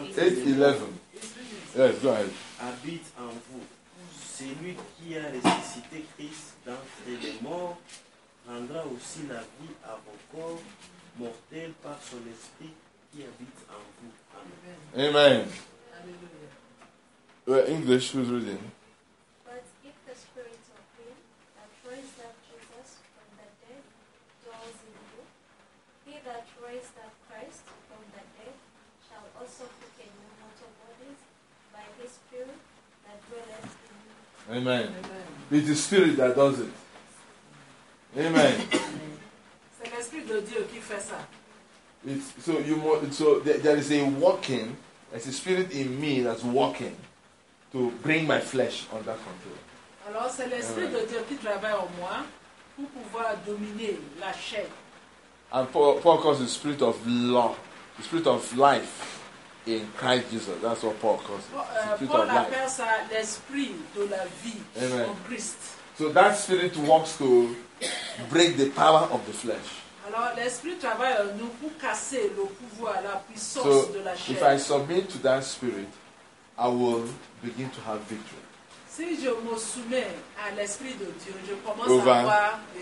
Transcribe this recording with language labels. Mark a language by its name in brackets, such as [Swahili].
[French] les morts. [English] 8:11. Yes, go ahead. [French] Habite en vous. Celui qui a ressuscité Christ d'entre les morts rendra aussi la vie à vos corps mortels par son esprit qui habite en vous. [English] Amen. Amen. Alléluia. Well, English, who's reading? But if the spirit of him that raised up Jesus from the dead dwells in you, he that raised up Christ from the dead shall also quicken your mortal bodies by his spirit that dwelleth. Amen. Amen. It's the Spirit that does it. Amen. [French] C'est l'Esprit de Dieu qui fait ça. [English] There is a working, there's a Spirit in me that's working to bring my flesh under control. [French] Alors c'est l'Esprit Amen. De Dieu qui travaille en moi pour pouvoir dominer la chair. [English] And Paul calls the Spirit of law, the Spirit of life. In Christ Jesus. That's what Paul calls it. [French] Paul appelle ça l'esprit de la vie en Christ. [English] So that spirit works to break the power of the flesh. [French] Alors l'esprit travaille en nous pour casser le pouvoir, la puissance [English] so, [French] de la chair. [English] If I submit to that spirit, I will begin to have victory. [French] Si je me soumets à l'esprit de Dieu, je commence à avoir